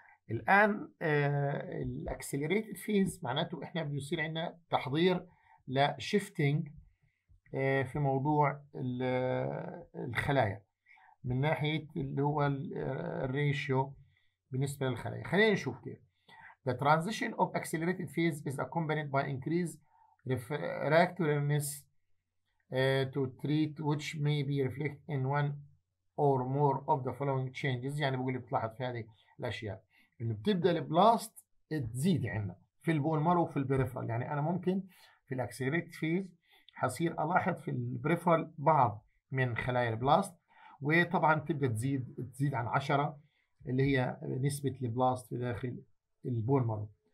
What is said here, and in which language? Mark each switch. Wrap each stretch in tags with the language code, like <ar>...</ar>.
<ar>الان الاكسلريتد فيز معناته احنا بيصير عندنا تحضير لشيفتنج في موضوع الخلايا من ناحيه اللي هو الريشيو بالنسبه للخلايا. خلينا نشوف كيف.</ar> <en>The transition of accelerated phase is accompanied by increased refractoriness to treat which may be reflected in one or more of the following changes.</en> <ar>يعني بقول لك بتلاحظ في هذه الاشياء انه بتبدا البلاست تزيد عندنا في البون مارو وفي البريفرال، يعني انا ممكن في الاكسلريت فيز حصير الاحظ في البريفرال بعض من خلايا البلاست، وطبعا تبدا تزيد عن 10 اللي هي نسبه البلاست في داخل البون مارو.</ar>